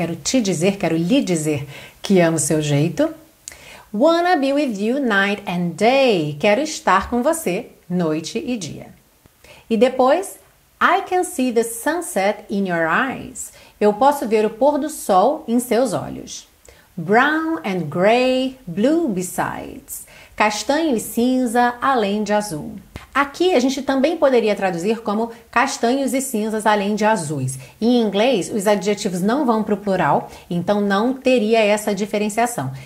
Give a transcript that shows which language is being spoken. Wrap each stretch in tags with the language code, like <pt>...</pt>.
<pt>Quero te dizer, quero lhe dizer que amo o seu jeito.</pt> <en>Wanna be with you night and day.</en> <pt>Quero estar com você noite e dia. E depois,</pt> <en>I can see the sunset in your eyes.</en> <pt>Eu posso ver o pôr do sol em seus olhos.</pt> <en>Brown and gray, blue besides.</en> <pt>Castanho e cinza, além de azul. Aqui a gente também poderia traduzir como castanhos e cinzas além de azuis. Em inglês, os adjetivos não vão para o plural, então não teria essa diferenciação.</pt>